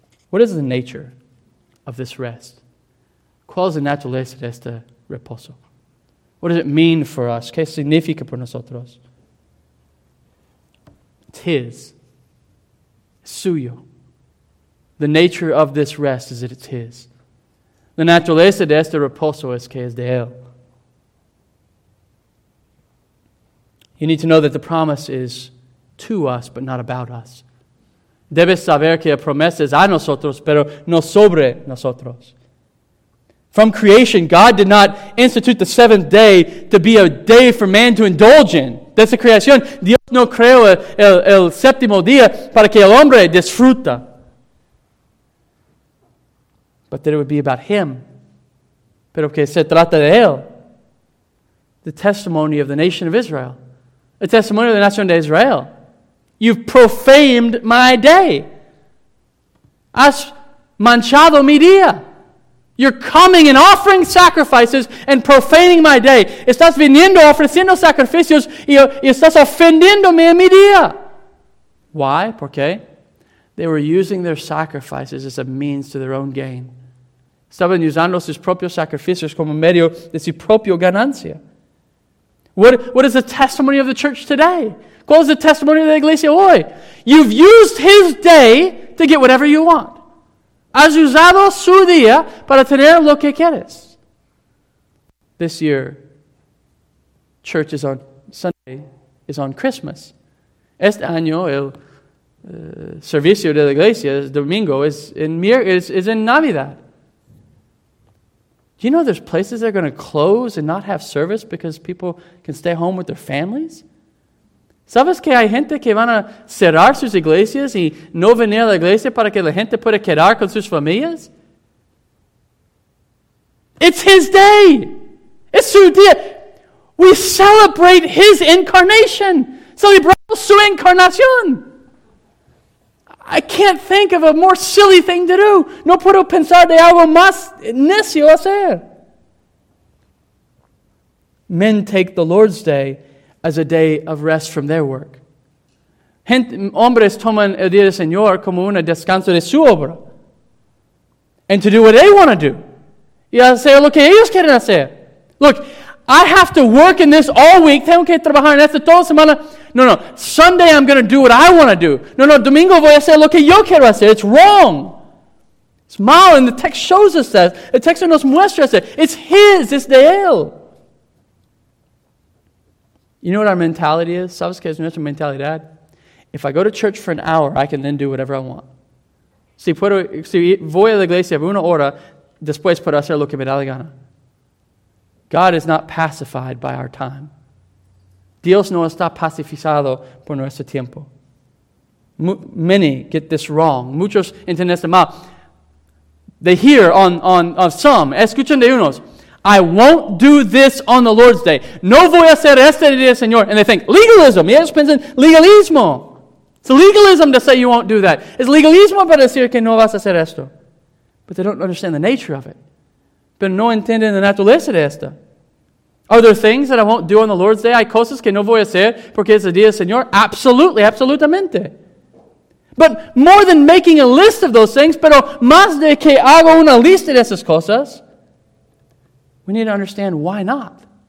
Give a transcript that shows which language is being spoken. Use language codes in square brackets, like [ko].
[en] What is the nature of this rest? [es] ¿Cuál es la naturaleza de este reposo? [en] What does it mean for us? [es] ¿Qué significa para nosotros? [en] It's His. [es] Suyo. [en] The nature of this rest is that it's His. [es] La naturaleza de este reposo es que es de Él. [en] You need to know that the promise is to us, but not about us. [es] Debes saber que la promesa es a nosotros, pero no sobre nosotros. [en] From creation, God did not institute the seventh day to be a day for man to indulge in. [es] Desde creación, Dios no creó el séptimo día para que el hombre disfruta. [en] But that it would be about Him. [es] Pero que se trata de Él. [en] The testimony of the nation of Israel. The testimony of the nation of Israel. You've profaned my day. [es] Has manchado mi día. [en] You're coming and offering sacrifices and profaning my day. [es] Estás viniendo ofreciendo sacrificios y estás ofendiéndome en mi día. Why? ¿Por qué? [en] They were using their sacrifices as a means to their own gain. [es] Estaban usando sus propios sacrificios como medio de su propia ganancia. [en] What is the testimony of the church today? [es] ¿Cuál es el testimonio de la iglesia hoy? [en] You've used His day to get whatever you want. [es] Has usado su día para tener lo que quieres. [en] This year, church is on Sunday, is on Christmas. [es] Este año, el servicio de la iglesia, el domingo, [en] is in [es] Navidad. [en] Do you know there's places that are going to close and not have service because people can stay home with their families? [es] ¿Sabes que hay gente que van a cerrar sus iglesias y no venir a la iglesia para que la gente pueda quedar con sus familias? [en] It's His day. [es] Es su día. [en] We celebrate His incarnation. [es] Celebramos su encarnación. [en] I can't think of a more silly thing to do. [es] No puedo pensar de algo más necio hacer. [en] Men take the Lord's day as a day of rest from their work. [es] Hombres toman el día del Señor como un descanso de su obra. [en] And to do what they want to do. [es] Y hacer lo que ellos quieren hacer. [en] Look, I have to work in this all week. [es] Tengo que trabajar en esto toda semana. [en] No, no. Sunday I'm going to do what I want to do. [es] No, no. Domingo voy a hacer lo que yo quiero hacer. [en] It's wrong. It's mal. And the text shows us that. The text [es] nos muestra eso. [en] It's His. It's [es] de Él. [en] You know what our mentality is? [es] ¿Sabes qué es nuestra mentalidad? [en] If I go to church for an hour, I can then do whatever I want. Si voy a la iglesia por una hora, después puedo hacer lo que me da la gana. God is not pacified by our time. [es] Dios no está pacificado por nuestro tiempo. [en] Many get this wrong. [es] Muchos entienden esto mal. [en] They hear on some, [es] escuchan de unos, [en] I won't do this on the Lord's Day. [es] No voy a hacer este día, Señor. [en] And they think, legalism. [es] Y ellos piensan, legalismo. [en] It's legalism to say you won't do that. [es] Es legalismo para decir que no vas a hacer esto. [en] But they don't understand the nature of it. [es] Pero no entienden la naturaleza de esto. [en] Are there things that I won't do on the Lord's Day? [es] Hay cosas que no voy a hacer porque es el día, Señor. [en] Absolutely, [es] absolutamente. [en] But more than making a list of those things, [es] pero más de que hago una lista de esas cosas, [en] we need to understand why not.